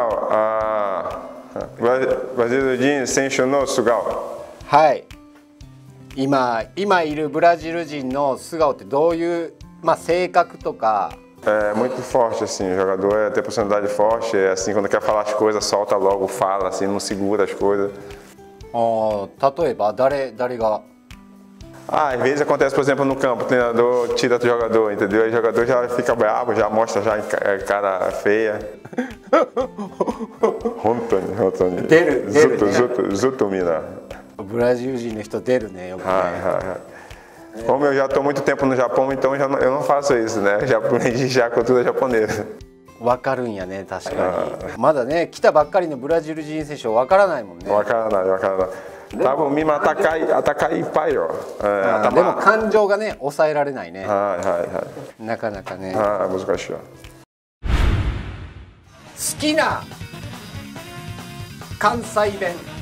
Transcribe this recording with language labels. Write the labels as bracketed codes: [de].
[ja] あ、ブラジル人選手の素顔。はい、今いるブラジル人の素顔ってどういう、まあ、性格とか？ [pt] muito forte assim, jogador é ter personalidade forte, é assim, quando quer falar as coisas, solta logo, fala assim, não segura as coisas. [ja] 例えば誰が？ [pt] às vezes acontece, por exemplo, no campo, o treinador tira do jogador, entendeu? Aí o jogador já fica bravo, já mostra já cara feia. Rontoni. Zutomina. [ja] ブラジル人の人出るね、よくね。はいはいはい。 [pt] Como eu já estou muito tempo no Japão, então eu não faço isso, né? Já aprendi já com tudo japonês. [ja] わかるんやね、確かに。まだね、来たばっかりのブラジル人選手はわからないもんね。わからない。多分みんな高いいっぱいよ。でも感情がね、抑えられないね。はいはいはい。なかなかね。はい、難しいわ。好きな関西弁。